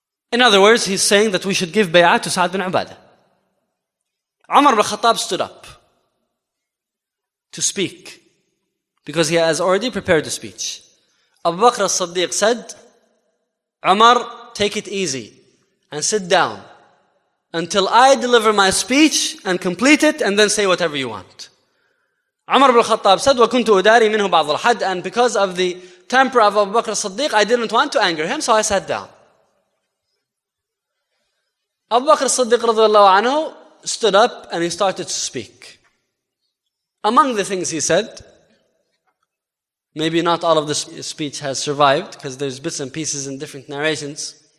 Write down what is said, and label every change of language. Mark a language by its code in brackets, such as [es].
[en] In other words, he's saying that we should give bay'ah to Sa'd bin Ubadah. Umar bin Khattab stood up to speak because he has already prepared the speech. Abu Bakr as-Siddiq said, Umar, take it easy and sit down until I deliver my speech and complete it and then say whatever you want. Umar bin Khattab said, [ar] وَكُنْتُ أُدَارِي مِنْهُ بَعْضُ الْحَدِ. [en] And because of the temper of Abu Bakr as-Siddiq, I didn't want to anger him, so I sat down. Abu Bakr as-Siddiq radiallahu anhu stood up and he started to speak. Among the things he said, maybe not all of the speech has survived because there's bits and pieces in different narrations.